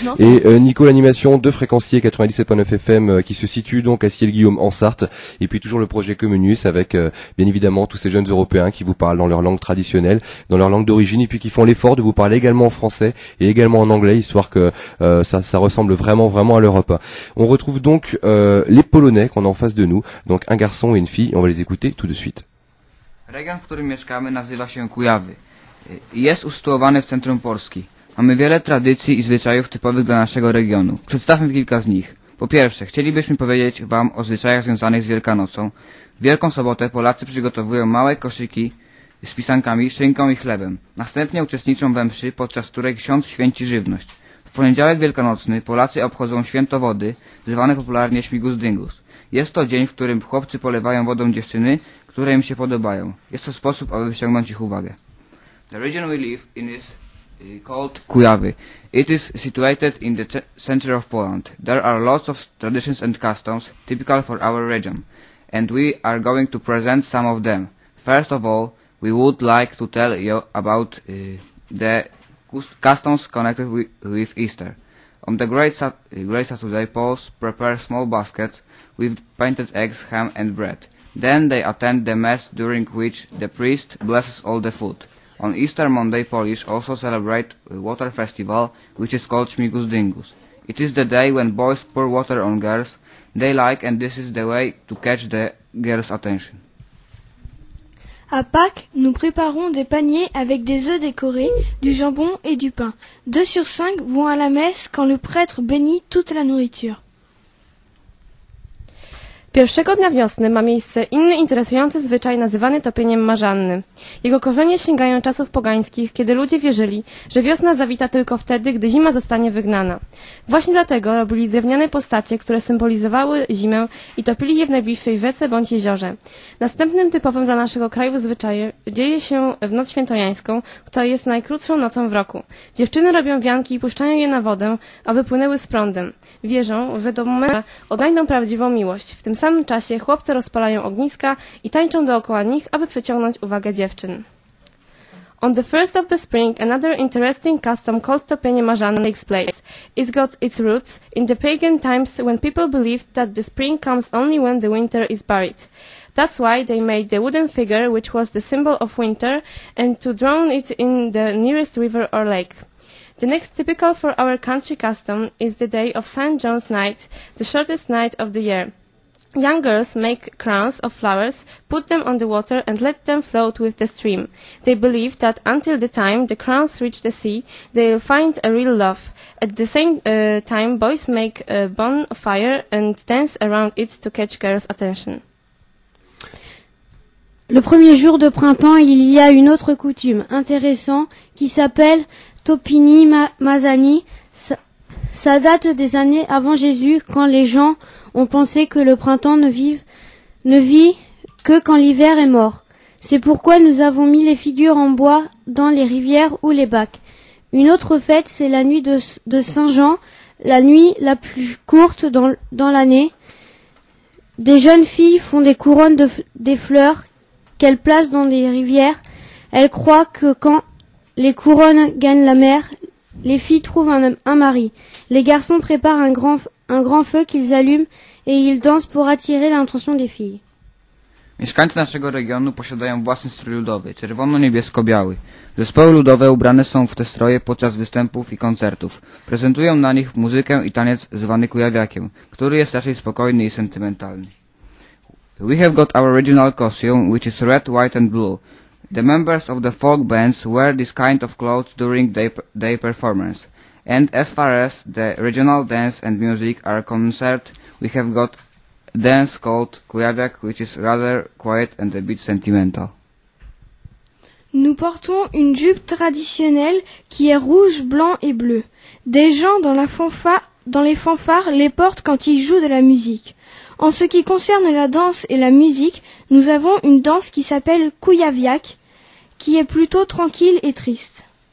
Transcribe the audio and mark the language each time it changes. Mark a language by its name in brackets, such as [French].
[French] Et Nico, l'animation de Fréquencier 97.9 FM qui se situe donc à Ciel-Guillaume en Sarthe, et puis toujours le projet Communus avec bien évidemment tous ces jeunes Européens qui vous parlent dans leur langue traditionnelle, dans leur langue d'origine, et puis qui font l'effort de vous parler également en français et également en anglais, histoire que ça ressemble vraiment, vraiment à l'Europe. On retrouve donc les Polonais qu'on a en face de nous, donc un garçon et une fille, on va les écouter tout de suite. [Polish] Region, w którym mieszkamy, nazywa się Kujawy. Jest usytuowany w centrum Polski. Mamy wiele tradycji i zwyczajów typowych dla naszego regionu. Przedstawmy kilka z nich. Po pierwsze, chcielibyśmy powiedzieć Wam o zwyczajach związanych z Wielkanocą. W Wielką Sobotę Polacy przygotowują małe koszyki z pisankami, szynką i chlebem. Następnie uczestniczą we mszy, podczas której ksiądz święci żywność. W poniedziałek wielkanocny Polacy obchodzą święto wody, zwane popularnie śmigus dyngus. Jest to dzień, w którym chłopcy polewają wodą dziewczyny, które im się podobają. Jest to sposób, aby wyciągnąć ich uwagę. [English] The region we live in is called Kujawy. It is situated in the center of Poland. There are lots of traditions and customs typical for our region. And we are going to present some of them. First of all, we would like to tell you about the customs connected with Easter. On the great Saturday, Poles prepare small baskets with painted eggs, ham and bread. Then they attend the mass during which the priest blesses all the food. On Easter Monday, Polish also celebrate a water festival, which is called Śmigus Dyngus. It is the day when boys pour water on girls they like, and this is the way to catch the girls' attention. [French] À Pâques, nous préparons des paniers avec des œufs décorés, du jambon et du pain. 2 sur 5 vont à la messe quand le prêtre bénit toute la nourriture. [Polish] Pierwszego dnia wiosny ma miejsce inny interesujący zwyczaj nazywany topieniem marzanny. Jego korzenie sięgają czasów pogańskich, kiedy ludzie wierzyli, że wiosna zawita tylko wtedy, gdy zima zostanie wygnana. Właśnie dlatego robili drewniane postacie, które symbolizowały zimę i topili je w najbliższej rzece bądź jeziorze. Następnym typowym dla naszego kraju zwyczajem dzieje się w noc świętojańską, która jest najkrótszą nocą w roku. Dziewczyny robią wianki i puszczają je na wodę, aby płynęły z prądem. Wierzą, że do momentu odnajdą prawdziwą miłość. W tym samym czasie chłopcy rozpalają ogniska i tańczą dookoła nich, aby przyciągnąć uwagę dziewczyn. [English] On the first of the spring, another interesting custom called topienie marzanny takes place. It's got its roots in the pagan times when people believed that the spring comes only when the winter is buried. That's why they made the wooden figure, which was the symbol of winter, and to drown it in the nearest river or lake. The next typical for our country custom is the day of St. John's night, the shortest night of the year. Young girls make crowns of flowers, put them on the water, and let them float with the stream. They believe that until the time the crowns reach the sea, they'll find a real love. At the same time, boys make a bonfire and dance around it to catch girls' attention. [French] Le premier jour de printemps, il y a une autre coutume intéressante qui s'appelle Topini Mazani. Ça date des années avant Jésus, quand les gens ont pensé que le printemps ne vit que quand l'hiver est mort. C'est pourquoi nous avons mis les figures en bois dans les rivières ou les bacs. Une autre fête, c'est la nuit de Saint-Jean, la nuit la plus courte dans l'année. Des jeunes filles font des couronnes des fleurs qu'elles placent dans les rivières. Elles croient que quand les couronnes gagnent la mer, les filles trouvent un mari. Les garçons préparent un grand feu qu'ils allument et ils dansent pour attirer l'attention des filles. [Polish] Mieszkańcy naszego regionu posiadają własny strój ludowy, czerwono-niebiesko-biały. Zespoły ludowe ubrane są w te stroje podczas występów i koncertów. Prezentują na nich muzykę i taniec zwany kujawiakiem, który jest raczej spokojny i sentymentalny. [English] We have got our original costume, which is red, white and blue. The members of the folk bands wear this kind of clothes during their performance. And as far as the regional dance and music are concerned, we have got dance called Kujawiak, which is rather quiet and a bit sentimental. [French] Nous portons une jupe traditionnelle qui est rouge, blanc et bleu. Des gens dans les fanfares les portent quand ils jouent de la musique. En ce qui concerne la danse et la musique, nous avons une danse qui s'appelle Kujawiak, qui est plutôt tranquille et triste.